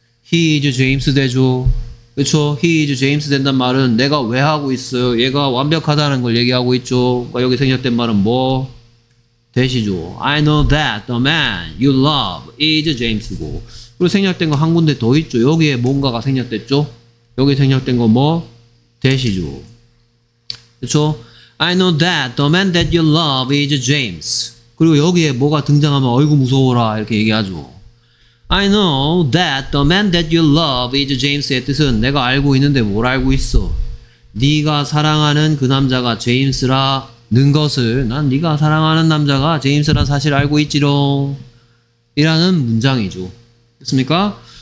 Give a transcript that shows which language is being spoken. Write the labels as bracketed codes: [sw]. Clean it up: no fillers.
[en] He is James [ko] 되죠. 그쵸? He is James 된단 말은 내가 왜 하고 있어요? 얘가 완벽하다는 걸 얘기하고 있죠. 그러니까 여기 생략된 말은 뭐? 되시죠. [en] I know that the man you love is James [ko] 고 그리고 생략된 거 한 군데 더 있죠. 여기에 뭔가가 생략됐죠. 여기 생략된 거 뭐? 되시죠. [en] 그쵸? I know that the man that you love is James [ko] 그리고 여기에 뭐가 등장하면 어이구 무서워라 이렇게 얘기하죠. [en] I know that the man that you love is James의 [ko] 뜻은 내가 알고 있는데 뭘 알고 있어. 네가 사랑하는 그 남자가 제임스라는 것을 난 네가 사랑하는 남자가 제임스라는 사실을 알고 있지롱 이라는 문장이죠. 됐습니까?